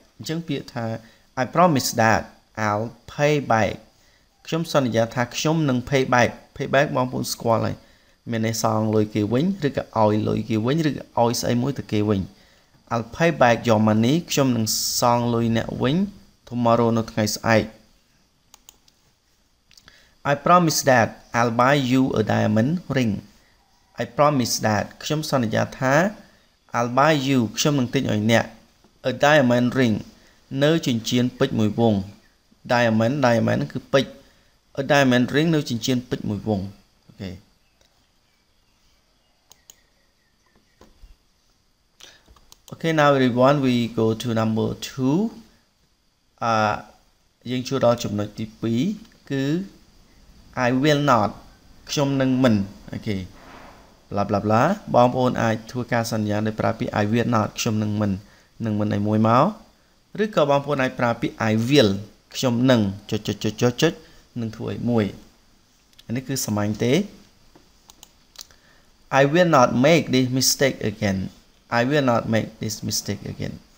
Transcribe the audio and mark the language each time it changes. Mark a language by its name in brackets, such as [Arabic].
[English] អញ្ចឹង ពាក្យ ថា I promise that I'll pay back [Khmer] ខ្ញុំ សន្យា ថា ខ្ញុំ នឹង [English] pay back. [Khmer] Pay back បងប្អូន ស្គាល់ ហើយ មាន ន័យ សង លុយ គេ វិញ ឬ ក៏ ឲ្យ លុយ គេ វិញ ឬ ក៏ ឲ្យ ស្អី មួយ ទៅ គេ វិញ. [English] I'll pay back your money. [Khmer] ខ្ញុំ នឹង សង លុយ អ្នក វិញ tomorrow នៅ ថ្ងៃ ស្អែក. [English] I promise that I'll buy you a diamond ring. I promise that [Khmer] ខ្ញុំ សន្យា ថា [English] I'll buy you [Khmer] ខ្ញុំ នឹង ទិញ ឲ្យ អ្នក [English] a diamond ring [Khmer] នៅ ចិញ្ចៀន ពេជ្រ មួយ វង់. diamond គឺ ពេជ្រ. [English] A diamond ring [Khmer] នៅ ចិញ្ចៀន ពេជ្រ មួយ វង់. [English] Okay. Okay, now everyone, we go to number 2. [Khmer] យើង ចូល ដល់ ចំណុច ទី 2 គឺ [English] I will not [Khmer] ខ្ញុំ នឹង មិន. Okay. bla bla bla បងប្អូន អាច ធ្វើ ការ សន្យា ដោយ ប្រើ ពាក្យ [English] I will not [Khmer] ខ្ញុំ នឹង មិន នឹង មិន ឲ្យ មួយ មក ឬ ក៏ បងប្អូន អាច ប្រើ ពាក្យ I will ខ្ញុំ នឹង ចុចចុចចុចចុចនឹង ធ្វើ ឲ្យ មួយ. អានេះ គឺ សាមញ្ញ ទេ. [English] I will not make this mistake again. I will not make this mistake again.